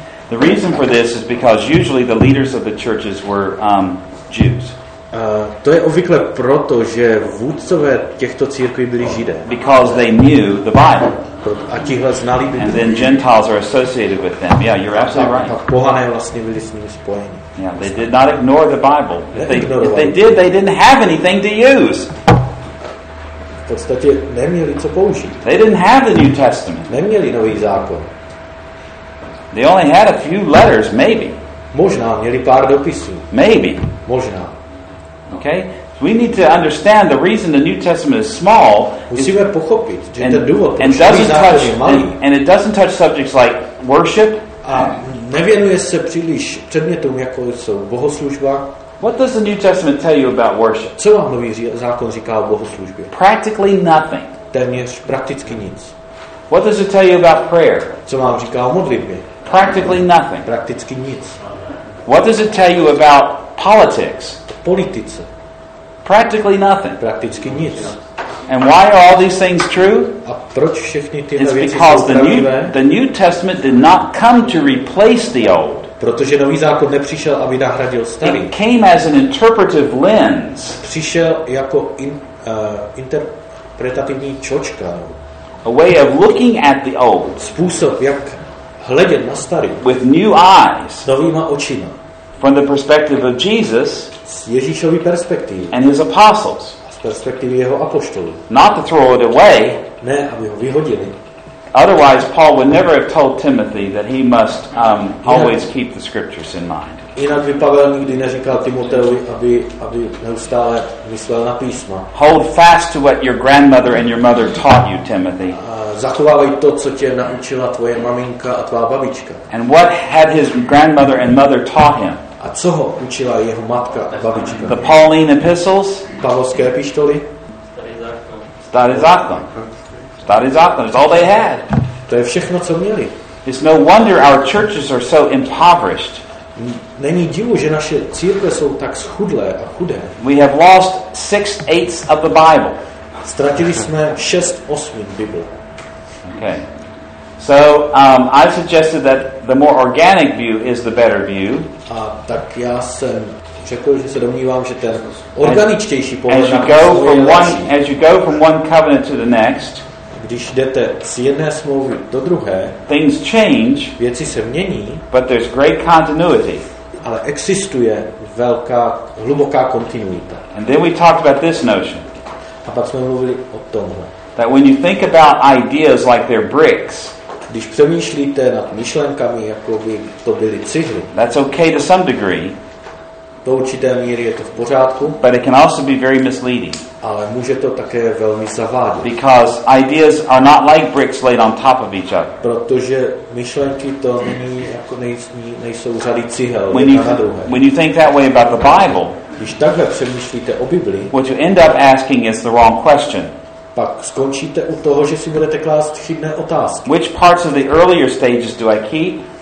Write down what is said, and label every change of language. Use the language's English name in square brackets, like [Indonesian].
[English] The reason for this is because usually the leaders of the churches were Jews. [Czech] To je obvykle proto, že vůdcové těchto církví byli Židé. [English] Because they knew the Bible. [Czech] A tihle znali Bibli. [English] And then Gentiles are associated with them. Yeah, you're absolutely right. [Czech] A pohané vlastně byli s nimi spojeni. [English] Yeah, they did not ignore the Bible. If they did, they didn't have anything to use. [Czech] V podstatě neměli co použít. [English] They didn't have the New Testament. [Czech] Neměli Nový zákon. [English] They only had a few letters, maybe. [Czech] Možná měli pár dopisů. [English] Maybe. [Czech] Možná. [English] Okay? So we need to understand the reason the New Testament is small. [Czech] Musíme pochopit, že ten důvod, proč je malý. [English] And it doesn't touch subjects like worship. [Czech] A nevěnuje se příliš předmětům, jako jsou bohoslužba. [English] What does the New Testament tell you about worship? [Czech] Co vám Nový zákon říká o bohoslužbě? [English] Practically nothing. [Czech] Téměř prakticky nic. [English] What does it tell you about prayer? [Czech] Co vám říká o modlitbě? [English] Practically nothing. [Czech] Prakticky nic. [English] What does it tell you about politics? [Czech] Politice. [English] Practically nothing. [Czech] Prakticky nic. [English] And why are all these things true? [Czech] A proč všechny tyhle věci jsou pravdivé? [English] Because the new Testament did not come to replace the old. [Czech] Protože nový zákon nepřišel, aby nahradil starý. [English] It came as an interpretive lens. [Czech] Přišel jako interpretativní čočka. [English] A way of looking at the old. [Czech] Způsob, jak hledět na starý. [English] With new eyes. [Czech] Novýma očima. [English] From the perspective of Jesus. [Czech] Z Ježíšovy perspektivy. [English] And his apostles. [Czech] A z perspektivy jeho apoštolů. [English] Not to throw it away. [Czech] Ne, aby ho vyhodili. [English] Otherwise, Paul would never have told Timothy that he must always keep the scriptures in mind. [Czech] Jinak by Pavel nikdy neříkal Timoteovi, aby neustále myslel na písma. [English] Hold fast to what your grandmother and your mother taught you, Timothy. [Czech] Zachovávej to, co tě naučila tvoje maminka a tvá babička. [English] And what had his grandmother and mother taught him? [Czech] A co ho učila jeho matka a babička? [English] The Pauline epistles? [Czech] Pavolské epištoly? Starý zákon. [English] That is often. It's all they had. [Czech] To je všechno, co měli. [English] It's no wonder our churches are so impoverished. [Czech] Není divu, že naše církve jsou tak schudlé a chudé. [English] We have lost 6/8 of the Bible. [Czech] Ztratili jsme 6/8 Bible. [English] Okay. So I suggested that the more organic view is the better view. [Czech] A tak já jsem řekl, že se domnívám, že ten organičtější pohled. [English] As you go from one covenant to the next. [Czech] Když jdete z jedné smlouvy do druhé, [English] things change, [Czech] věci se mění, [English] but there's great continuity. [Czech] Ale existuje velká, hluboká kontinuita. [English] And then we talked about this notion. [Czech] A pak jsme mluvili o tomhle. [English] That when you think about ideas like they're bricks, [Czech] když přemýšlíte nad myšlenkami, jako by to byly cihly, [English] that's okay to some degree. [Czech] Do určité míry je to v pořádku, [English] but it can also be very misleading. [Czech] Ale může to také velmi zavádět. [English] Because ideas are not like bricks laid on top of each other. [Czech] Protože myšlenky to není jako nejsou řady cihel jedna na druhé. [English] When you think that way about the Bible, [Czech] když takhle přemýšlíte o Bibli, [English] what you end up asking is the wrong question. [Czech] Pak skončíte u toho, že si budete klást chybné otázky. [English] Which parts of the earlier stages do I keep?